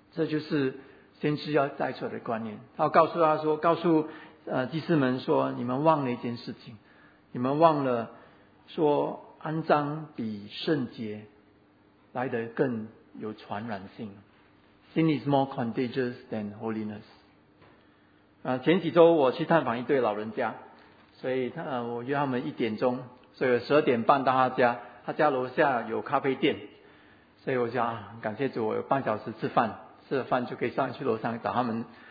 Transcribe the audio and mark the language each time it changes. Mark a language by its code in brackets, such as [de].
[zh] 这就是先知要带出来的观念。他告诉他说，告诉祭司们说，你们忘了一件事情，你们忘了说肮脏比圣洁来得更有传染性。 [en] Sin is more contagious than holiness。 [zh] 前几周我去探访一对老人家，所以我约他们1点钟，所以12点半到他家，他家楼下有咖啡店，所以我就感谢主，我有半小时吃饭，吃了饭就可以上去楼上找他们。